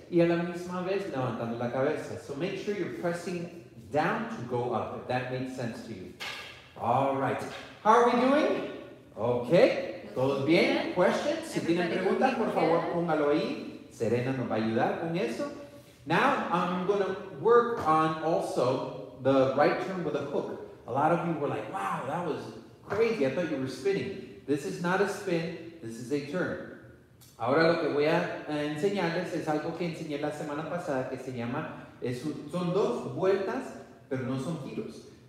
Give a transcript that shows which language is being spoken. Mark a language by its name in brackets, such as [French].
[Spanish] Y a la misma vez levantando la cabeza. [English] So make sure you're pressing down to go up, if that makes sense to you. All right. How are we doing? Okay. [Spanish] ¿Todos bien? [English] ¿Questions? [Spanish] Si tienen preguntas, por favor, póngalo ahí. Serena nos va a ayudar con eso. [English] Now, I'm going to work on also the right turn with a hook. A lot of you were like, wow, that was crazy. I thought you were spinning. This is not a spin. This is a turn. [Spanish] Ahora lo que voy a enseñarles es algo que enseñé la semana pasada que se llama, son dos vueltas, pero no son giros.